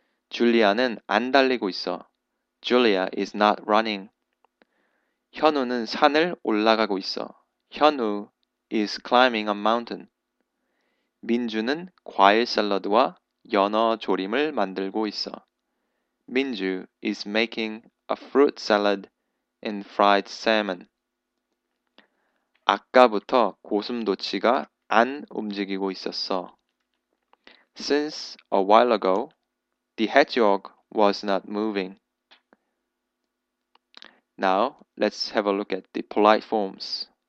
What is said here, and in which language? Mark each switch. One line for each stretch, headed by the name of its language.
Korean: 줄리아는 안 달리고 있어.
English: Julia is not running.
Korean: 현우는 산을 올라가고 있어.
English: 현우 is climbing a mountain.
Korean: 민주는 과일 샐러드와 연어 조림을 만들고 있어.
English: Minju is making a fruit salad and fried salmon.
Korean: 아까부터 고슴도치가 안 움직이고 있었어.
English: Since a while ago, the hedgehog was not moving. Now, let's have a look at the polite forms.